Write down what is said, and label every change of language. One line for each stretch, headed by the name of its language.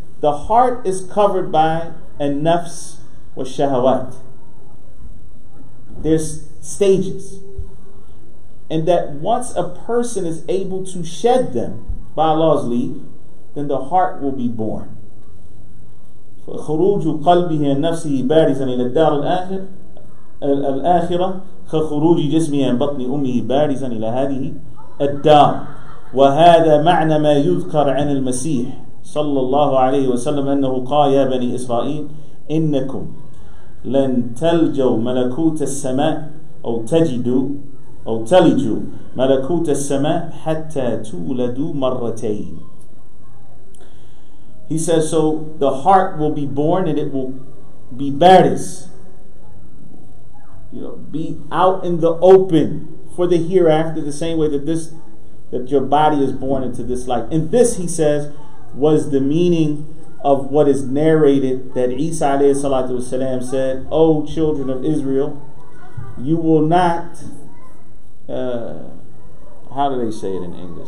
English: The heart is covered by an-nafs wa shahawat. There's stages. And that once a person is able to shed them by Allah's leave, then the heart will be born.
Arabic: فَخُرُوجُ قَلْبِهِ نَفْسِهِ بَارِزًا إِلَى الدَّارِ الْآخِرَةِ خَخُرُوجِ جِسْمِهِ بَطْنِ أُمِّهِ بَارِزًا إِلَى هَذِهِ الدَّارِ وَهَذَا مَعْنَى مَا يُذْكَرْ عَنِ الْمَسِيحِ صلى الله عليه وسلم أنه قال يا بني إسرائيل إنكم لن تلجوا ملكوت السماء أو تجدوا أو تلجوا ملكوت السماء حتى تولدوا مرتين.
English: He says, so the heart will be born and it will be baris. Be out in the open for the hereafter, the same way that your body is born into this life. And this, he says, was the meaning of what is narrated that Isa alayhi salatu wasalam said, O children of Israel, you will not how do they say it in English?